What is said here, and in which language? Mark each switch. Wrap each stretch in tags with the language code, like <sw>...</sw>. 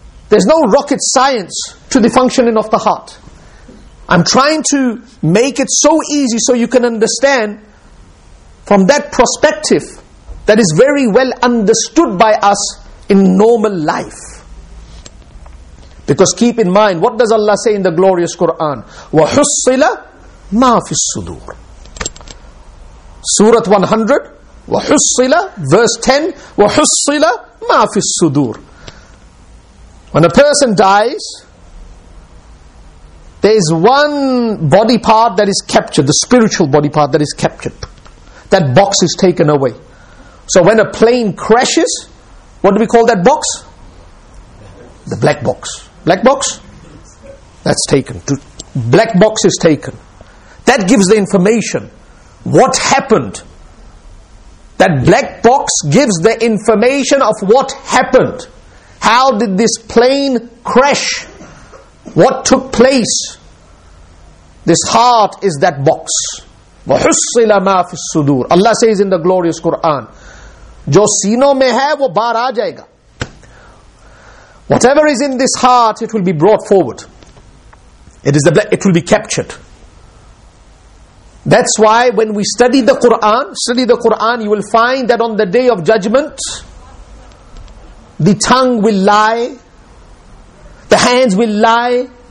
<en>There's no rocket science to the functioning of the heart. I'm trying to make it so easy so you can understand from that perspective that is very well understood by us in normal life. Because keep in mind, what does Allah say in the glorious Quran?</en> <ar>وَحُصِّلَ مَا فِي الصُّدُورِ. Surah 100, وَحُصِّلَ,</ar> <en>verse 10,</en> <ar>وَحُصِّلَ مَا فِي الصُّدُورِ.</ar> <en>When a person dies, there is one body part that is captured, the spiritual body part that is captured. That box is taken away. So when a plane crashes, what do we call that box? The black box. Black box? That's taken. Black box is taken. That gives the information. What happened? That black box gives the information of what happened. How did this plane crash? What took place? This heart is that box.</en> <ar>وَحُصِّلَ مَا فِي الصُّدُورِ.</ar> <en>Allah says in the glorious Quran,</en> <ur>جو سینوں میں ہے وہ باہر آ جائے گا.</ur> <en>Whatever is in this heart, it will be brought forward. It will be captured. That's why when we study the Quran, you will find that on the day of judgment, the tongue will lie, the hands will lie.</en>